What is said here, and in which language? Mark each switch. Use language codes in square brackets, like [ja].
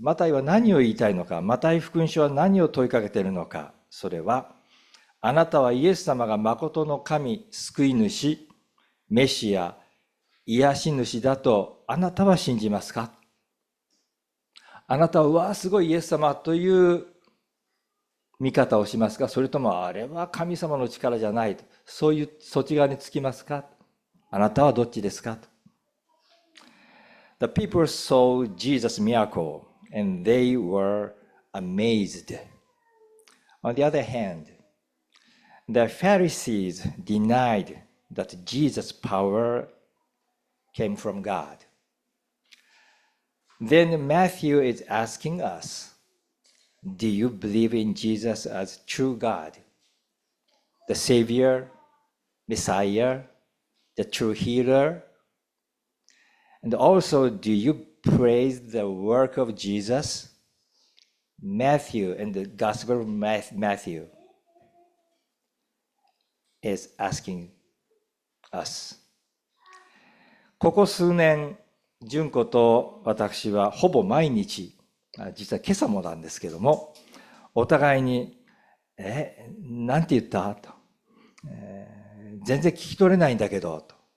[ja] マタイは何を言いたいのか、マタイ福音書は何を問いかけているのか、それは、あなたはイエス様が誠の神、救い主、メシア、癒し主だとあなたは信じますか？あなたは、わあ、すごいイエス様という見方をしますか？それとも、あれは神様の力じゃないと、そういうそっち側につきますか？あなたはどっちですか？ [en] The people saw Jesus' miracle and they were amazed. On the other hand, the Pharisees denied that Jesus' power came from God. Then Matthew is asking us, Do you believe in Jesus as true God, the Savior, Messiah? The true healer? And also, do you praise the work of Jesus? Matthew and the Gospel of Matthew is asking us. [ja] ここ数年、純子と私はほぼ毎日、実は今朝もなんですけども、お互いに、なんて言った？と、全然聞き取れないんだけど、と。